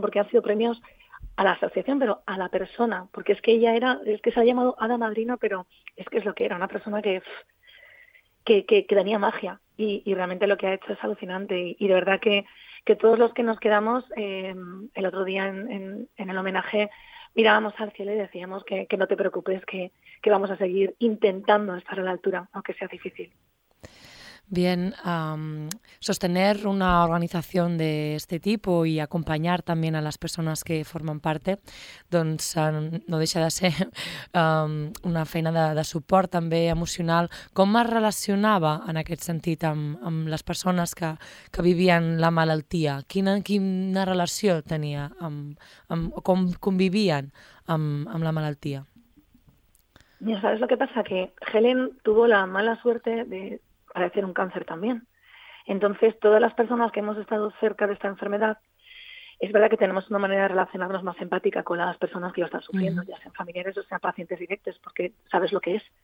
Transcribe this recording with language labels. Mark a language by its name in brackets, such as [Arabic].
[Spanish] Porque han sido premios a la asociación, pero a la persona, porque es que ella era, es que se ha llamado Hada Madrina, pero es que es lo que era, una persona que tenía magia, y realmente lo que ha hecho es alucinante, y de verdad que todos los que nos quedamos el otro día en el homenaje mirábamos al cielo y decíamos que no te preocupes, que vamos a seguir intentando estar a la altura, aunque sea difícil. Bien, sostener una organización de este tipo y acompañar también a las personas que forman parte, [Catalan] doncs, no deixa de ser una feina de suport també emocional. Com es relacionava en aquest sentit amb les persones que vivien la malaltia? Quina relació tenia amb com convivien amb la malaltia? [Spanish] Ya sabes lo que pasa, que Helen tuvo la mala suerte de padecer un cáncer también. Entonces, todas las personas que hemos estado cerca de esta enfermedad, es verdad que tenemos una manera de relacionarnos más empática con las personas que lo están sufriendo, ya sean familiares o sean pacientes directos, porque sabes lo que es.